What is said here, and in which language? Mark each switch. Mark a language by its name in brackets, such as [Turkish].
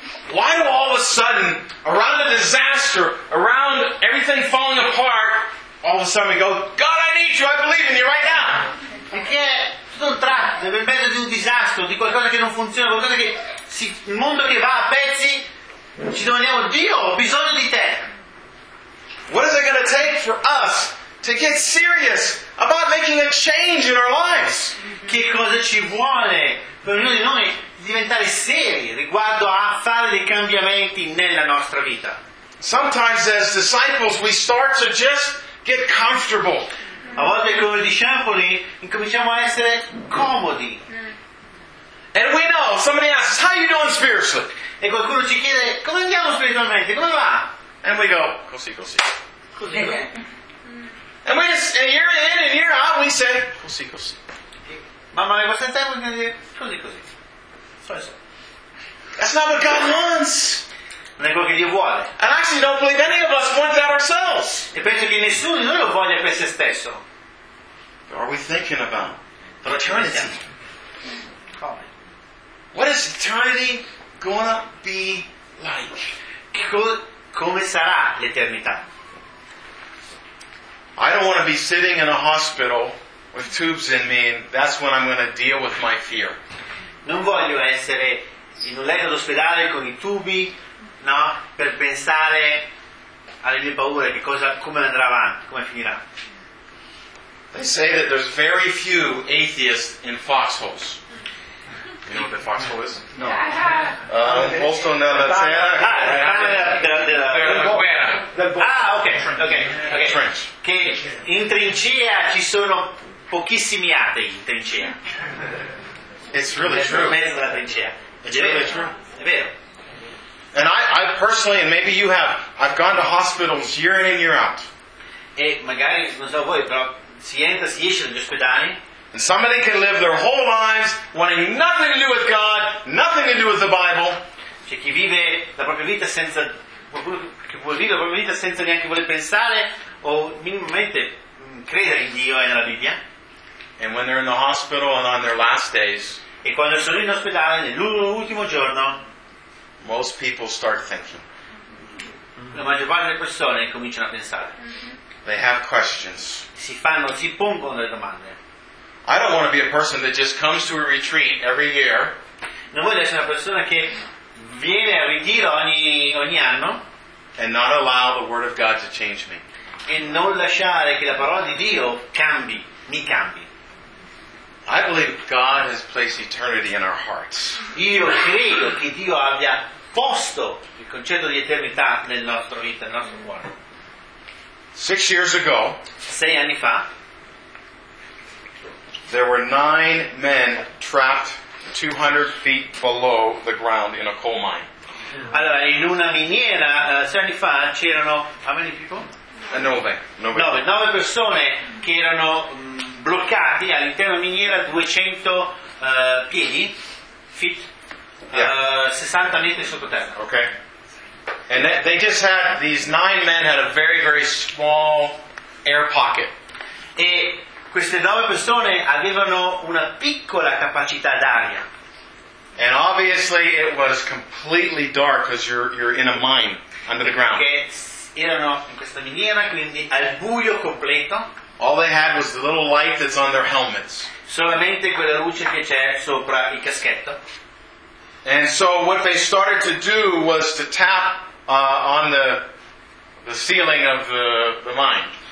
[English] Why do all of a sudden, around a disaster, around everything falling apart, all of a sudden we go, God, I need you, I believe in you right now. [Italian] Perché tutto un tratto, nel mezzo di un disastro, di qualcosa che non funziona, qualcosa che il mondo che va a pezzi, ci domandiamo, Dio, ho bisogno di te. [English] What is it going to take for us to get serious about making a change in our lives? [Italian] Che cosa ci vuole per ognuno di noi diventare seri riguardo a fare dei cambiamenti nella nostra vita? [English] Sometimes as disciples we start to just get comfortable. [Italian] A volte come discepoli incominciamo a essere comodi. [English] And we know, somebody asks, how are you doing spiritually? [Italian] E qualcuno ci chiede, come andiamo spiritualmente? Come va? [English] And we go, [Italian] così, così. Così. [English] And we just, and year in and year out, we say, [Italian] così, così. Mamma mia, questo tempo di dire, così, così. [English] That's not what God wants. [Italian] Non è quello che Dio vuole. [English] And actually, don't believe any of us want that ourselves. [Italian] E penso che nessuno di noi lo voglia per se stesso. [English] But are we thinking about eternity? What is eternity gonna be like? [Italian] Come sarà l'eternità? [English] I don't want to be sitting in a hospital with tubes in me, and that's when I'm going to deal with my fear. [Italian] Non voglio essere in un letto d'ospedale con i tubi, no? Per pensare alle mie paure, che cosa, come andrà avanti, come finirà. [English] They say that there's very few atheists in foxholes. You know what the foxhole is? No. Also in the French. [Italian] Che in trincea ci sono pochissimi atei in trincea. [English] It's really true. [Italian] In mezzo alla trincea. [English] It's really true. [Italian] È vero. [English] And I personally, and maybe you have, I've gone to hospitals year in and year out. [Italian] E magari non so voi, però si entra, si esce dagli ospedali. [English] And somebody can live their whole lives wanting nothing to do with God, nothing to do with the Bible. [Italian] C'è chi vive la propria vita senza, che vuol vivere la propria vita senza neanche voler pensare o minimamente credere in Dio e nella Bibbia. [English] And when they're in the hospital and on their last days. [Italian] E quando sono in ospedale nell'ultimo giorno. [English] Most people start thinking. [Italian] La maggior parte delle persone cominciano a pensare. [English] They have questions. [Italian] Si pongono delle domande. [English] I don't want to be a person that just comes to a retreat every year. [Italian] Non voglio essere una persona che viene a ritiro ogni anno. [English] And not allow the word of God to change me. [Italian] E non lasciare che la parola di Dio cambi, mi cambi. [English] I believe God has placed eternity in our hearts. [Italian] Io credo che Dio abbia posto il concetto di eternità nel nostro vita, nel nostro cuore. [English] 6 years ago. [Italian] 6 anni fa. [English] There were 9 men trapped 200 feet below the ground in a coal mine. [Italian] Allora, in una miniera, 6 anni fa, c'erano, [English] how many people? [Italian] Nove persone che erano bloccati all'interno della miniera 200 piedi, [English] feet, yeah. [Italian] 60 metri sottoterra. [English] Okay. And they just had, these 9 men had a very, very small air pocket. [Italian] E queste 9 persone avevano una piccola capacità d'aria. [English] And obviously it was completely dark because you're in a mine under the ground. [Italian] Erano in questa miniera, quindi al buio completo. [English] All they had was the little light that's on their helmets. [Italian] Solamente quella luce che c'è sopra il caschetto. [English] And so what they started to do was to tap on the ceiling of the mine.